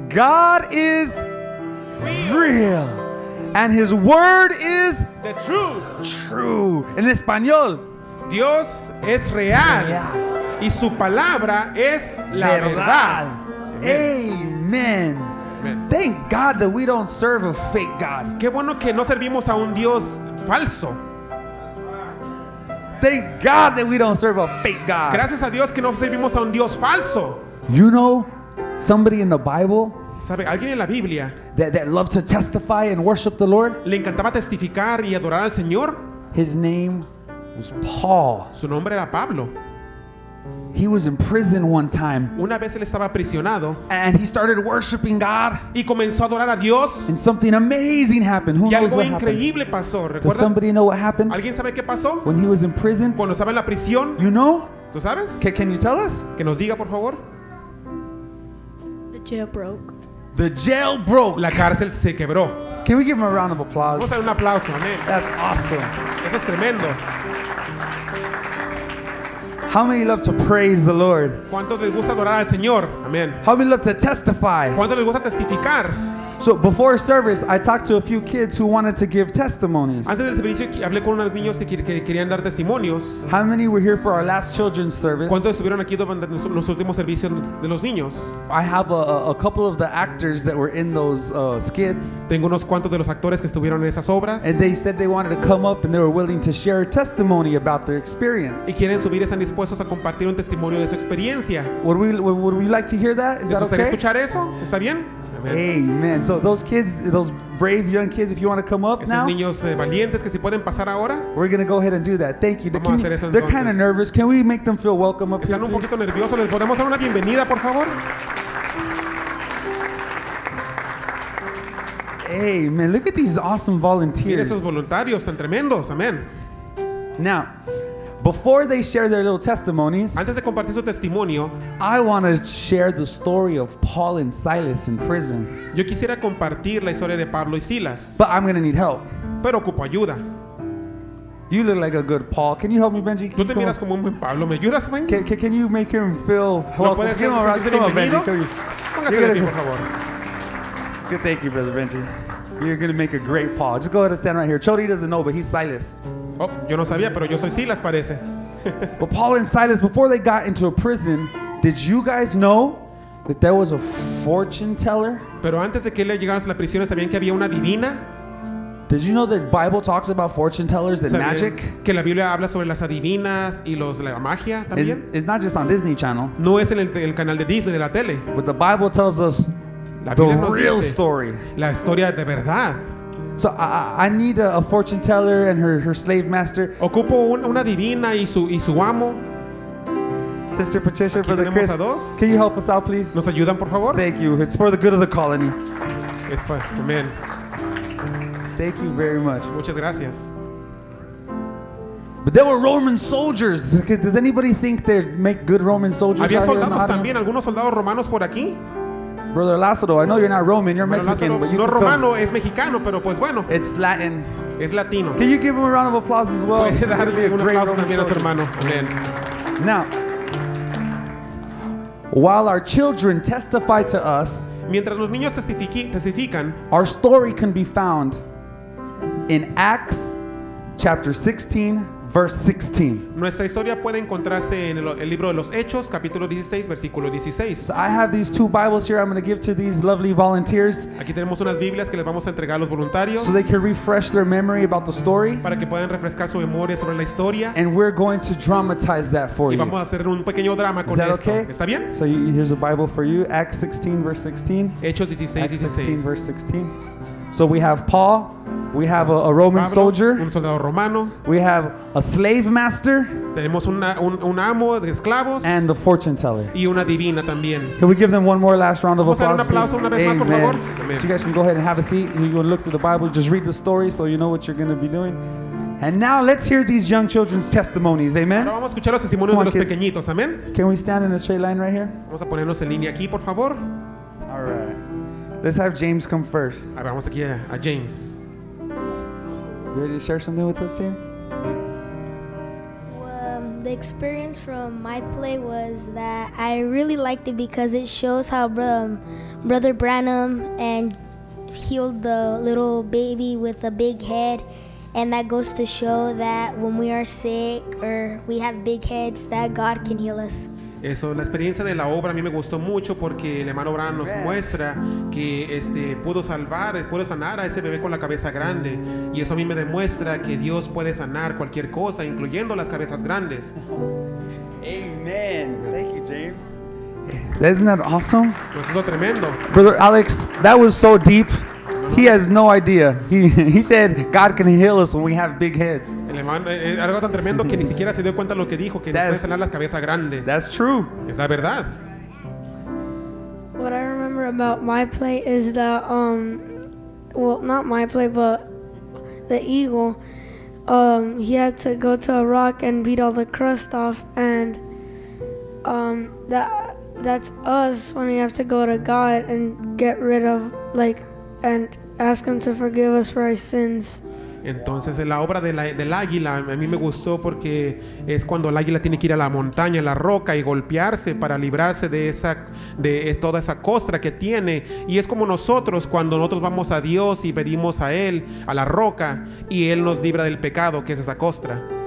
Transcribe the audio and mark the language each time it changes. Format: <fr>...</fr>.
<en>God is real. And His word is the truth.</en> <es>True. En español, Dios es real.</es> <en>Yeah.</en> <es>Y su palabra es la verdad.</es> <en>Amen. Amen. Thank God that we don't serve a fake God.</en> <es>Qué bueno que no servimos a un Dios falso.</es> <en>Thank God that we don't serve a fake God.</en> <es>Gracias a Dios que no servimos a un Dios falso.</es> <en>You know, somebody in the Bible,</en> <es>¿sabe alguien en la Biblia,</es> <en>that loved to testify and worship the Lord?</en> <es>Le encantaba testificar y adorar al Señor.</es> <en>His name was Paul.</en> <es>Su nombre era Pablo.</es> <en>He was in prison one time.</en> <es>Una vez él estaba aprisionado.</es> <en>And he started worshiping God.</en> <es>Y comenzó a adorar a Dios.</es> <en>And something amazing happened. Who</en> <es>y</es> <en>knows</en> <es>algo</es> <en>what</en> <es>increíble</es> <en>happened?</en> <es>Pasó. ¿Recuerda?</es> <en>Does somebody know what happened?</en> <es>¿Alguien sabe qué pasó?</es> <en>When he was in prison.</en> <es>Cuando estaba en la prisión.</es> <en>You know?</en> <es>¿Tú sabes?</es> <en>Can you tell us?</en> <es>Que nos diga, por favor.</es> <en>The jail broke.</en> <es>La cárcel se quebró.</es> <en>Can we give him a round of applause?</en> <es>Vamos a darle un aplauso, amén.</es> <en>That's awesome.</en> <es>Eso es tremendo.</es> <en>How many love to praise the Lord?</en> <es>¿Cuántos les gusta adorar al Señor? Amen.</es> <en>How many love to testify?</en> <es>¿Cuántos les gusta testificar?</es> <en>So before service, I talked to a few kids who wanted to give testimonies.</en> <es>Antes del servicio, hablé con unos niños que querían dar testimonios.</es> <en>How many were here for our last children's service?</en> <es>¿Cuántos estuvieron aquí durante los últimos servicios de los niños?</es> <en>I have a couple of the actors that were in those skits.</en> <es>Tengo unos cuantos de los actores que estuvieron en esas obras.</es> <en>And they said they wanted to come up and they were willing to share a testimony about their experience.</en> <es>Y quieren subir, están dispuestos a compartir un testimonio de su experiencia.</es> <en>Would we like to hear that? Is that okay?</en> <es>¿Escuchar eso? ¿Está bien?</es> <en>Amen. So those kids, those brave young kids, if you want to come up now. Niños valientes que si pueden pasar ahora. We're going to go ahead and do that. Thank you.</en> <es>Vamos a hacer eso,</es> <en>they're kind of nervous. Can we make them feel welcome up</en> <es>here? Están un poquito nerviosos. ¿Les podemos dar una bienvenida, por favor?</es> <en>Amen. Look at these awesome volunteers.</en> <es>Miren esos voluntarios tan tremendos. Amen.</es> <en>Now, before they share their little testimonies,</en> <es>antes de compartir su testimonio,</es> <en>I want to share the story of Paul and Silas in prison.</en> <es>Yo quisiera compartir la historia de Pablo y Silas.</es> <en>But I'm going to need help.</en> <es>Pero ocupo ayuda.</es> <en>You look like a good Paul. Can you help me, Benji?</en> <es>¿Tú te miras como un buen Pablo? ¿Me ayudas, Benji?</es> <en>Can you make him feel welcome?</en> <es>¿Lo puedes hacer? ¿Se siente bienvenido? Póngase de pie, por favor.</es> <en>Good, thank you, Brother Benji. You're going to make a great Paul. Just go ahead and stand right here. Chody doesn't know, but he's Silas.</en> <es>Oh, yo no sabía, pero yo soy Silas, parece.</es> <en>But Paul and Silas, before they got into a prison, did you guys know that there was a fortune teller?</en> <es>Pero antes de que le llegaran a la prisión, ¿sabían que había una divina?</es> <en>Did you know that the Bible talks about fortune tellers and magic?</en> <es>Que la Biblia habla sobre las adivinas y los la magia también.</es> <en>It's not just on Disney Channel.</en> <es>No es en el canal de Disney, de la tele.</es> <en>But the Bible tells us the real story.</en> <es>La historia de verdad.</es> <en>So I need a fortune teller and her slave master.</en> <es>Ocupo una divina y su amo.</es> <en>Sister Patricia, Brother Chris,</en> <es>a dos.</es> <en>Can you help us out, please?</en> <es>¿Nos ayudan, por favor?</es> <en>Thank you. It's for the good of the colony.</en> <es>Es para, amen.</es> <en>Thank you very much.</en> <es>Muchas gracias.</es> <en>But there were Roman soldiers. Does anybody think they make good Roman soldiers?</en> <es>Había soldados también. ¿Algunos soldados romanos por aquí?</es> <en>Brother Lázaro, I know you're not Roman, you're Mexican, Lázaro, but you</en> <es>no</es> <en>can</en> <es>romano,</es> <en>come.</en> <es>Es mexicano, pero pues bueno.</es> <en>It's Latin.</en> <es>Es latino.</es> <en>Can you give him a round of applause as well?</en> <es>Puede darle un aplauso también a su hermano.</es> <en>Amen. Now, while our children testify to us,</en> <es>mientras los niños testifican,</es> <en>our story can be found in Acts chapter 16, verse 16.</en> <es>Nuestra historia puede encontrarse en el libro de los Hechos, capítulo 16, versículo 16.</es> <en>So I have these two Bibles here I'm going to give to these lovely volunteers.</en> <es>Aquí tenemos unas Biblias que les vamos a entregar a los voluntarios.</es> <en>So they can refresh their memory about the story.</en> <es>Para que puedan refrescar su memoria sobre la historia.</es> <en>And we're going to dramatize that for</en> <es>y</es> <en>you.</en> <es>Y vamos a hacer un pequeño drama</es> <en>is</en> <es>con</es> <en>that</en> <es>esto.</es> <en>Okay?</en> <es>¿Está bien?</es> <en>So here's a Bible for you, Acts 16, verse 16.</en> <es>Hechos 16,</es> <en>Acts</en> <es>16.</es> <en>16, verse 16. So we have Paul, we have a Roman</en> <es>Pablo,</es> <en>soldier,</en> <es>un soldado romano,</es> <en>we have a slave master,</en> <es>tenemos un amo de esclavos,</es> <en>and the fortune teller.</en> <es>Y una divina también.</es> <en>Can we give them one more last round of applause?</en> <es>Un aplauso una vez</es> <en>amen.</en> <es>Más, por favor.</es> <en>So you guys can go ahead and have a seat. You can look through the Bible, just read the story so you know what you're going to be doing. And now let's hear these young children's testimonies. Amen.</en> <es>Ahora vamos a escuchar los testimonios de los kids. Pequeñitos. Amen.</es> <en>Can we stand in a straight line right here?</en> <es>Vamos a ponernos en línea aquí, por favor.</es> <en>All right. Let's have James come first.</en> <es>A ver, vamos aquí a James.</es> <en>You ready to share something with us, James? Well, the experience from my play was that I really liked it because it shows how Brother Branham and healed the little baby with a big head. And that goes to show that when we are sick or we have big heads, that God can heal us.</en> <es>Eso, la experiencia de la obra a mí me gustó mucho porque el hermano Bran nos muestra que pudo sanar a ese bebé con la cabeza grande y eso a mí me demuestra que Dios puede sanar cualquier cosa, incluyendo las cabezas grandes.</es> <en>Amen. Thank you, James. Isn't that awesome?</en> <es>Pues eso es tremendo.</es> <en>Brother Alex, that was so deep. He has no idea. He said God can heal us when we have big heads.</en> <es>El hermano es algo tan tremendo que ni siquiera se dio cuenta lo que dijo que puede sanar las cabezas grandes.</es> <en>That's true.</en> <es>Es la verdad.</es> <en>What I remember about my play is that not my play, but the eagle. He had to go to a rock and beat all the crust off, and that's us when we have to go to God and get rid of like. And ask him to forgive us for our sins.</en> <es>Entonces la obra de del águila a mí me gustó porque es cuando el águila tiene que ir a la montaña, a la roca y golpearse para librarse de esa, de toda esa costra que tiene. Y es como nosotros cuando nosotros vamos a Dios y pedimos a Él, a la roca, y Él nos libra del pecado que es esa costra.</es>